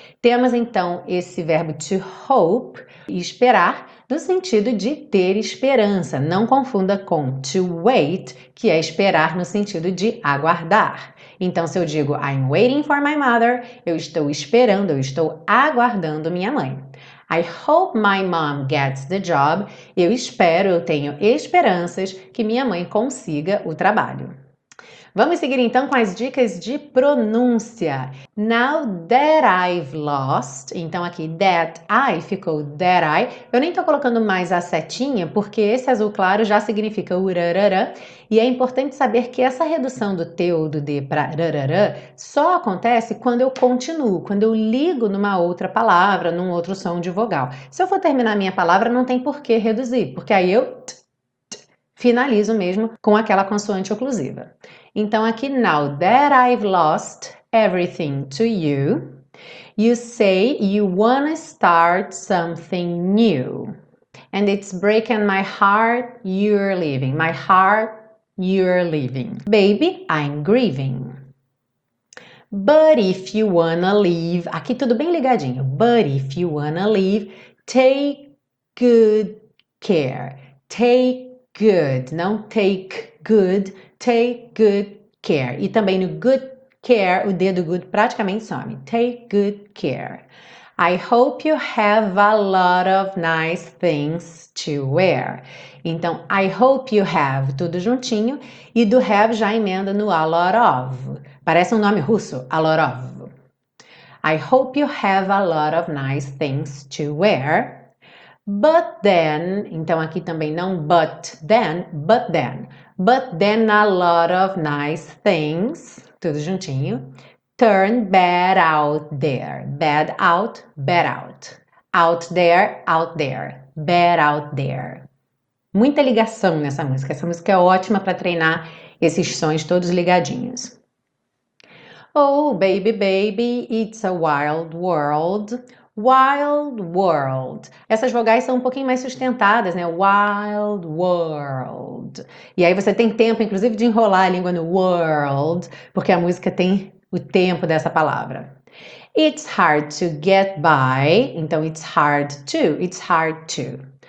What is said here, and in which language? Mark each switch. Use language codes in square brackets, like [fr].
[pt] Temos então esse verbo to hope, esperar, no sentido de ter esperança. Não confunda com to wait, que é esperar no sentido de aguardar. Então, se eu digo [en] I'm waiting for my mother, [pt] eu estou esperando, eu estou aguardando minha mãe. [en] I hope my mom gets the job. [pt] Eu espero, eu tenho esperanças que minha mãe consiga o trabalho. Vamos seguir então com as dicas de pronúncia. [en] Now that I've lost, [pt] então aqui [en] that I [pt] ficou [en] that I. [pt] Eu nem estou colocando mais a setinha porque esse azul claro já significa urarara. E é importante saber que essa redução do T ou do D para rarara só acontece quando eu continuo, quando eu ligo numa outra palavra, num outro som de vogal. Se eu for terminar minha palavra, não tem por que reduzir, porque aí eu finalizo mesmo com aquela consoante oclusiva. Então, aqui, [en] now that I've lost everything to you, you say you wanna start something new. And it's breaking my heart, you're leaving. My heart, you're leaving. Baby, I'm grieving. But if you wanna leave, [pt] aqui tudo bem ligadinho. [en] But if you wanna leave, take good care. Take good, [pt] não [en] take good, take good care. [pt] E também no good care, o dedo good praticamente some. [en] Take good care. I hope you have a lot of nice things to wear. [pt] Então, [en] I hope you have, [pt] tudo juntinho, e do have já emenda no [en] a lot of. [pt] Parece um nome russo, [en] a lot of. I hope you have a lot of nice things to wear. But then, [pt] então aqui também não but then. [en] But then a lot of nice things, [pt] tudo juntinho, [en] turn bad out there. Bad out, bad out. Out there, bad out there. [pt] Muita ligação nessa música. Essa música é ótima para treinar esses sons todos ligadinhos. [en] Oh, baby, baby, it's a wild world. Wild world. [pt] Essas vogais são um pouquinho mais sustentadas, né? [en] Wild world. [pt] E aí você tem tempo, inclusive, de enrolar a língua no world, porque a música tem o tempo dessa palavra. [en] It's hard to get by. Então, it's hard to. It's hard to.